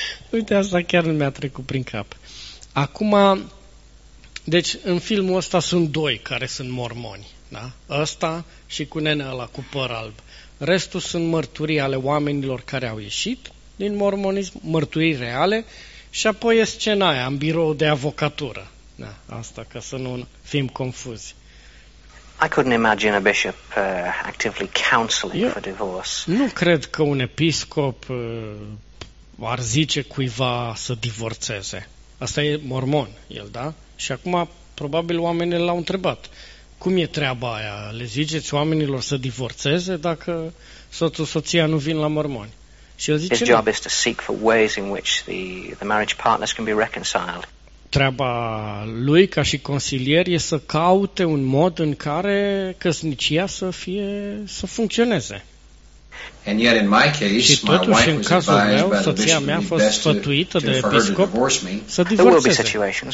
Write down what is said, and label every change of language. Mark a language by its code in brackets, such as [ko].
[ro] Uite, asta chiar nu mi-a trecut prin cap. Acum, deci în filmul ăsta sunt doi care sunt mormoni. Da? Ăsta și cu nenea ăla cu păr alb. Restul sunt mărturii ale oamenilor care au ieșit din mormonism, mărturii reale, și apoi e scena aia în birou de avocatură. Da, asta ca să nu fim confuzi. [en] I couldn't imagine a bishop actively counseling for divorce. [ro] Nu cred că un episcop ar zice cuiva să divorțeze. Asta e mormon, el, da? Și acum probabil oamenii l-au întrebat. Cum e treaba aia? Le ziceți oamenilor să divorțeze dacă soțul, soția nu vin la mormoni? Și el zice, [en] his job is to seek for ways in which the marriage partners can be reconciled. [ro] Treaba lui ca și consilier e să caute un mod în care căsnicia să fie, să funcționeze. [en] And yet in my case, [ro] și totuși în cazul meu, soția mea a fost sfătuită de episcop să divorțeze.